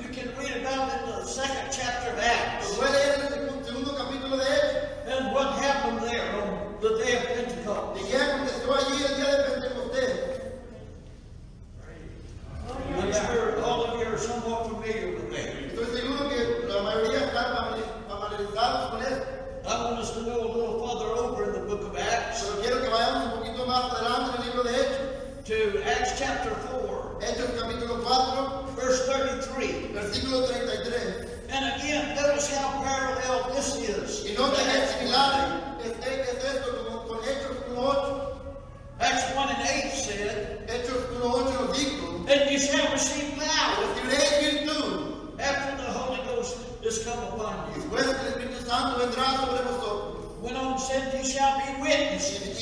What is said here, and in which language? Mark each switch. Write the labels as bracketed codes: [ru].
[en] You can read about it in the second chapter of Acts. [es] Puede leer en el segundo capítulo de Hechos. [en] And what happened there on the day of Pentecost. [es] Y qué aconteció allí el día de Pentecostés. [en] I'm sure all of you are somewhat familiar with that. [es] Estoy seguro que la mayoría están familiarizados con esto. [en] I want us to go a little further over in the book of Acts. [es] Pero quiero que vayamos un poquito más adelante en el libro de Hechos. [en] To Acts chapter 4. [es] Hechos capítulo 4, [en] verse 33. [es] Versículo 33. [en] And again, notice how parallel this is. [es] Y note que es similar. Es esto como con Hechos 1:8. [en] Acts 1 and 8 said. [es] Hechos 1:8 nos dijo. [en] And you shall receive power. [es] Recibiréis virtud. [en] After the Holy Ghost has come upon you. [es] Después que el Espíritu Santo vendrá sobre vosotros. [en] Went on and said, you shall be witnesses.